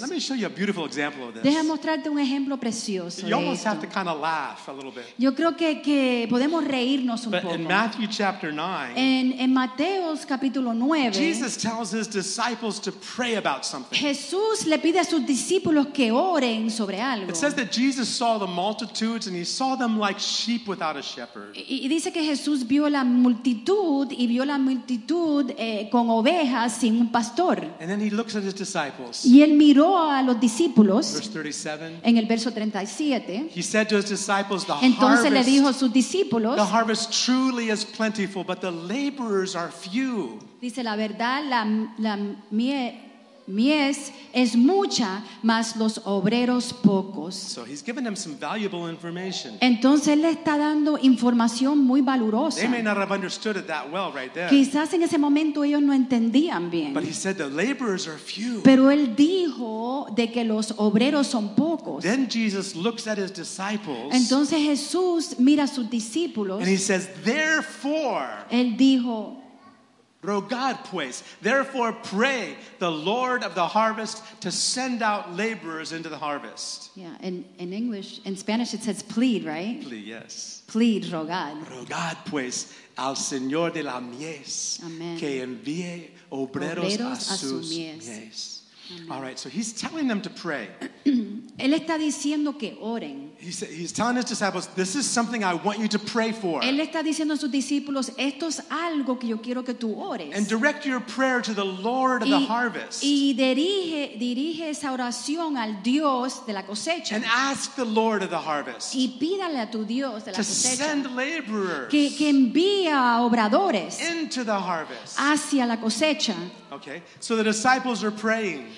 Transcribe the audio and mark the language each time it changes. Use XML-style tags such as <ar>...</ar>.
<en>Me, let me show you a beautiful example of this.</en> <es>Deja mostrarte un ejemplo precioso.</es> <en>You</en> <es>de</es> <en>almost</en> <es>esto.</es> <en>Have to kind of laugh a little bit.</en> <es>Yo creo que podemos reírnos un</es> <en>But</en> <es>poco.</es> <en>In Matthew chapter 9,</en> <es>en Mateo capítulo 9,</es> <en>Jesus tells his disciples to pray about something.</en> <es>Jesús le pide a sus discípulos que oren sobre algo.</es> <en>It says that Jesus saw the multitudes and he saw them like sheep without a shepherd.</en> <es>Y dice que Jesús vio la multitud y vio la multitud con ovejas sin un pastor.</es> <en>And then he looks at his disciples.</en> <es>Y él miró a los discípulos.</es> <en>Verse 37.</en> <es>En el verso 37.</es> <en>He said to his disciples, the</en> <es>Entonces</es> <en>harvest,</en> <es>le dijo a sus discípulos,</es> <en>the harvest truly is plentiful, but the laborers are few.</en> <es>Dice la verdad, la mies es mucha, mas los obreros pocos.</es> <en>So he's giving them some valuable information.</en> <es>Entonces le está dando información muy valiosa.</es> <en>They may not have understood it that well right there.</en> <es>Quizás en ese momento ellos no entendían bien.</es> <en>But he said the laborers are few.</en> <es>Pero él dijo de que los obreros son pocos.</es> <en>Then Jesus looks at his disciples.</en> <es>Entonces Jesús mira a sus discípulos.</es> <en>And he says, therefore.</en> <es>Él dijo. Rogad pues,</es> <en>therefore pray the Lord of the harvest to send out laborers into the harvest. Yeah, in English, in Spanish it says plead, right? Plead, yes. Plead, rogad.</en> <es>Rogad pues al Señor de la mies Amen. Que envíe obreros a sus mies. Amen.</es> <en>All right, so he's telling them to pray.</en> <es>Él está diciendo que oren.</es> <en>He's telling his disciples, this is something I want you to pray for.</en> <es>Él está diciendo a sus discípulos, esto es algo que yo quiero que tú ores.</es> <en>And direct your prayer to the Lord of the harvest.</en> <es>Y dirige esa oración al Dios de la cosecha.</es> <en>And ask the Lord of the harvest.</en> <es>Y pídale a tu Dios de la cosecha.</es> <en>To send laborers.</en> <es>Que envía obradores.</es> <en>Into the harvest.</en> <es>Hacia la cosecha.</es> <en>Okay, so the disciples are praying.</en>